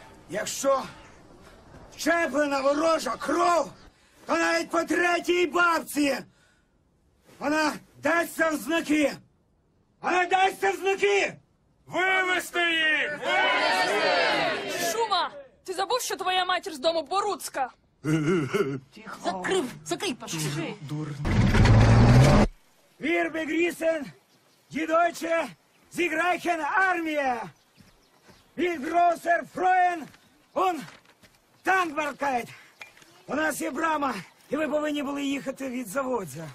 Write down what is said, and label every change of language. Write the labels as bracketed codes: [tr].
[uk] Якщо вщеплена ворожа кров, то навіть по третій бабці вона дасться в знаки. Вона дасться в знаки! Вивезти їх! Вивезти! Шума, ти забув, що твоя матір з дому Боруцька? Тихо. Закрив, закрив, пошли. Дурно. [de] Wir begrüßen die deutsche siegreiche Armee. Mit großer Freude und Dankbarkeit. [uk] У нас є брама, і ви повинні були їхати від заводу.